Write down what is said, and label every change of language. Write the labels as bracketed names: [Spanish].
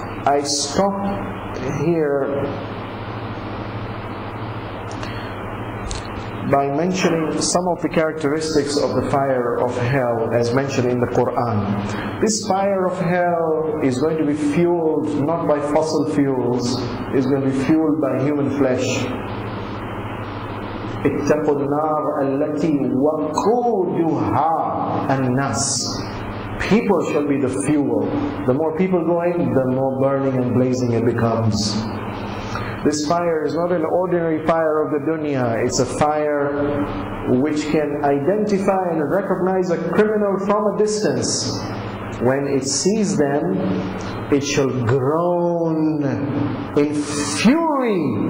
[English] I stop here by mentioning some of the characteristics of the fire of hell as mentioned in the Quran. This fire of hell is going to be fueled not by fossil fuels, it's going to be fueled by human flesh. [Arabic] اتقوا النار التي وقودها الناس. [English] People shall be the fuel. The more people go in, the more burning and blazing it becomes. This fire is not an ordinary fire of the dunya. It's a fire which can identify and recognize a criminal from a distance. When it sees them, it shall groan in fury.